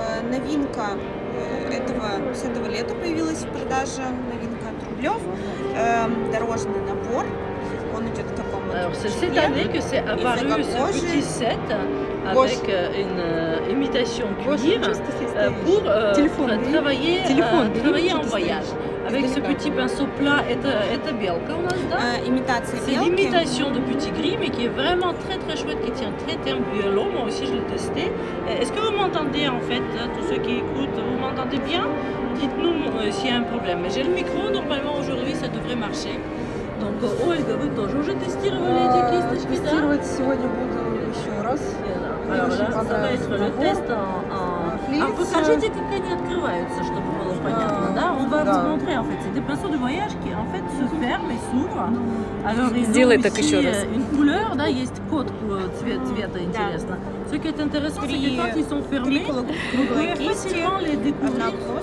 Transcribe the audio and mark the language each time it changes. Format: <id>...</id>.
<ru>Новинка с этого лета появилась в продаже. Новинка от Рублев. Дорожный набор. Он идет в таком.</ru> <fr>Alors, c'est cette année que c'est apparu ce petit set avec une imitation cuivre pour travailler en voyage. Avec ce petit pinceau plat,</fr> <ru>это белка у нас, да? Имитация белки.</ru> <fr>C'est l'imitation de petit gris, mais qui est vraiment très très chouette, qui tient très très bien l'eau. Moi aussi, je l'ai testé. Est-ce que vous m'entendez, en fait, tous ceux qui écoutent, vous m'entendez bien? Dites-nous s'il y a un problème. J'ai le micro, normalement, aujourd'hui, ça devrait marcher.</fr> <ru>Только Ольга, вы тоже уже тестировали эти кисточки, да? Тестировать сегодня буду еще раз. Мне очень понравился набор. Покажите, как они открываются, чтобы было понятно, да? Он вам смотрел, в принципе, пинцет для вояжки, в принципе, сверху. Сделай так еще раз. Кулер, да, есть код цвета, интересно.</ru> <fr>Ce qui est intéressant, c'est que quand ils sont fermés, vous pouvez facilement les découvrir.</fr>